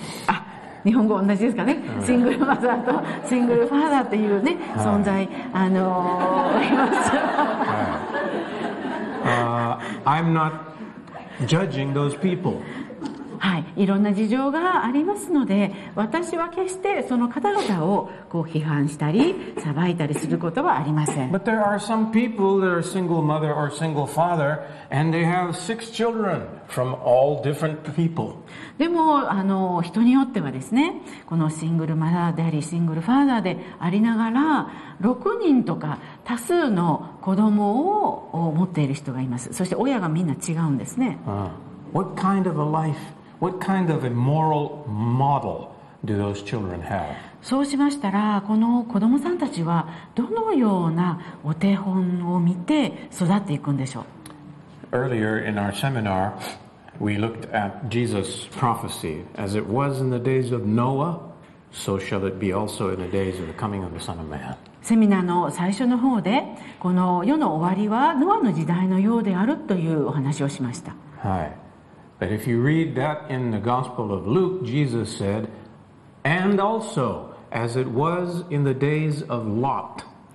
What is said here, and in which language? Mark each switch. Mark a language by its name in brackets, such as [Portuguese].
[Japanese] あ、日本語同じですかね。シングルマザーとシングルファーザーっていうね、存在、あの、います。 [English] I'm not judging those people. [Japanese] はい、いろんな事情がありますので、私は決してその方々をこう批判したり裁いたりすることはありません。 [English] But there are some people that are single mother or single father and they have six children from all different people. [Japanese] でもあの人によってはですね、このシングルマザーでありシングルファーザーでありながら6人とか多数の子供を持っている人がいます。そして親がみんな違うんですね。 [English] What kind of a life, what kind of a moral model do those children have? [Japanese] そうしましたら、この子供さんたちはどのようなお手本を見て育っていくんでしょう。 [English] Earlier in our seminar, we looked at Jesus' prophecy. As it was in the days of Noah, so shall it be also in the days of the coming of the Son of Man. [Japanese] セミナーの最初の方で、この世の終わりはノアの時代のようであるというお話をしました。はい。 [English] But if you read that in the Gospel of Luke, Jesus said, and also as it was in the days of Lot.